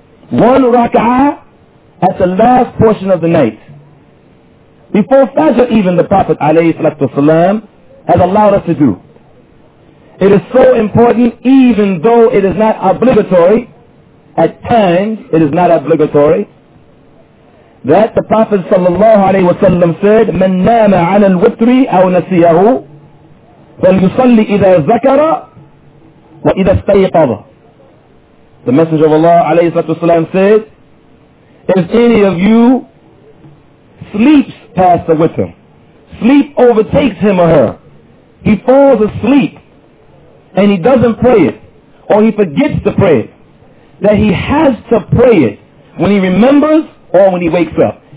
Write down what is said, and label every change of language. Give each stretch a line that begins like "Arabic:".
English: One raka'ah at the last portion of the night. Before Fajr even, the Prophet alayhi salatu wasalam has allowed us to do. It is so important, even though it is not obligatory. At times, it is not obligatory. that the Prophet sallallahu alayhi wasallam said,
Arabic: من نام عن الوتر أو نسيه فليصلي إذا ذكر وإذا استيقظ.
English: The Messenger of Allah alayhi salatu wasalam said, if any of you sleeps past the witr, sleep overtakes him or her, he falls asleep and he doesn't pray it, or he forgets to pray it, that he has to pray it when he remembers or when he wakes up.